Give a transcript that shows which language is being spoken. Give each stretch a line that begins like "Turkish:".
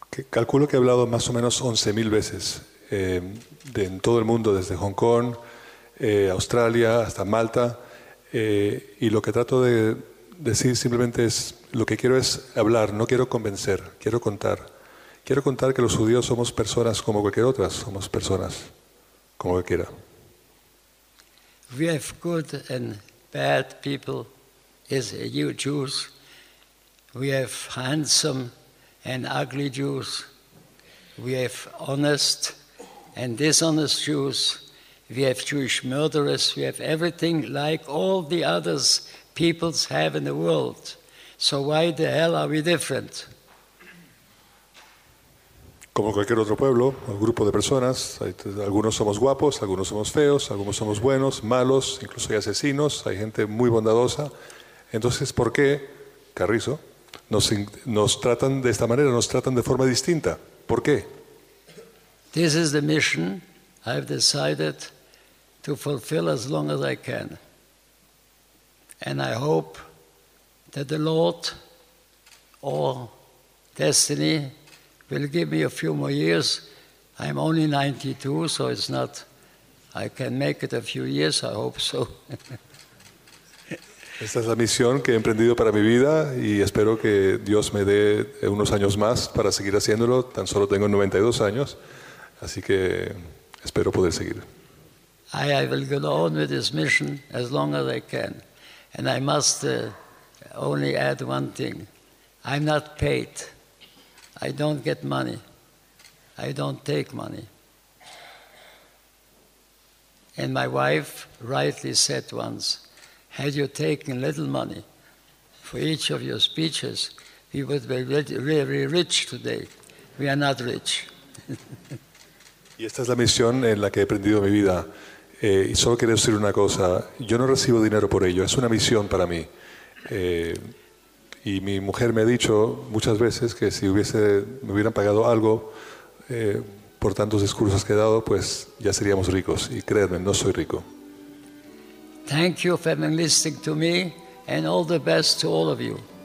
Spanish: Calculo que he hablado más o menos 11,000 veces en todo el mundo, desde Hong Kong, Australia, hasta Malta. Y lo que trato de decir simplemente es, lo que quiero es hablar, no quiero convencer, quiero contar. Quiero contar que los judíos somos personas como cualquier otra, somos personas como cualquiera.
English: We have good and bad people, as you Jews. We have handsome and ugly Jews. We have honest and dishonest Jews. We have Jewish murderers. We have everything like all the others peoples have in the world. So why the hell are we different?
Spanish: Como cualquier otro pueblo, o grupo de personas, algunos somos guapos, algunos somos feos, algunos somos buenos, malos, incluso hay asesinos, hay gente muy bondadosa. Entonces, ¿por qué, Carrizo, nos tratan de esta manera, nos tratan de forma distinta? ¿Por qué?
English: This is the mission I've decided to fulfill as long as I can. And I hope that the Lord or destiny will give me a few more years. I'm only 92, so it's not, I can make it a few years, I hope so.
Spanish: Esta es la misión que he emprendido para mi vida y espero que Dios me dé unos años más para seguir haciéndolo. Tan solo tengo 92 años, así que espero poder seguir.
English: I will go on with this mission as long as I can. And I must only add one thing. I'm not paid. I don't get money. I don't take money. And my wife rightly said once, had you taken little money for each of your speeches, we would be really rich today. We are not rich.
Spanish: Y esta es la misión en la que he aprendido mi vida. Y solo quiero decir una cosa. Yo no recibo dinero por ello. Es una misión para mí. Y mi mujer me ha dicho muchas veces que si me hubieran pagado algo por tantos discursos que he dado, pues ya seríamos ricos. Y créanme, no soy rico.
English: Thank you for listening to me and all the best to all of you.